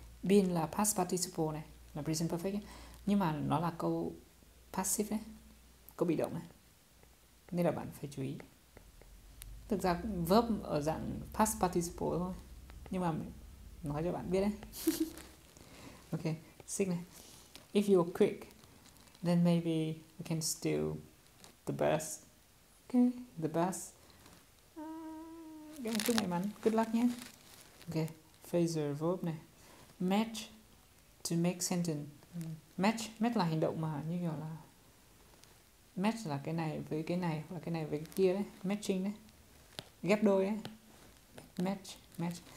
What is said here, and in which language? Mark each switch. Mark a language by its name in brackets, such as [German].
[Vietnamese] Been là past participle này. Là present perfect ấy. Nhưng mà nó là câu passive ấy. Câu bị động ấy. Nên là bạn phải chú ý. Thực ra verb ở dạng past participle thôi. Nhưng mà nói cho bạn biết đấy. Ok, xích này. [English] If you are quick, then maybe you can steal the best. Ok, the best. [Vietnamese] Cái này chúc may mắn, [English] good luck [Vietnamese] nhé. Ok, phrasal verb này. [English] Match to make sentence. [Vietnamese] Match, match là hành động mà như kiểu là match là cái này với cái này hoặc là cái này với cái kia đấy, matching đấy, ghép đôi đấy, match, match.